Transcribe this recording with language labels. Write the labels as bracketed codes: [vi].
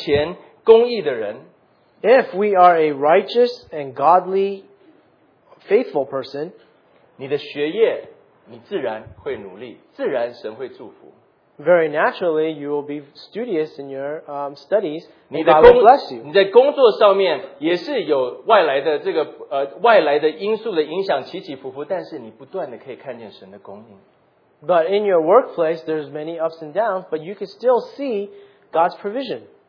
[zh] 如果我们是一个爱神、敬虔、公义的人, [en] If we are a righteous and godly, faithful person, [zh] 你的学业,你自然会努力,自然神会祝福。 [en] Very naturally, you will be studious in your studies, and God will bless you. [zh] 你在工作上面也是有外来的因素的影响,起起伏伏, 但是你不断地可以看见神的供应。 [en] But in your workplace, there's many ups and downs, but you can still see God's provision.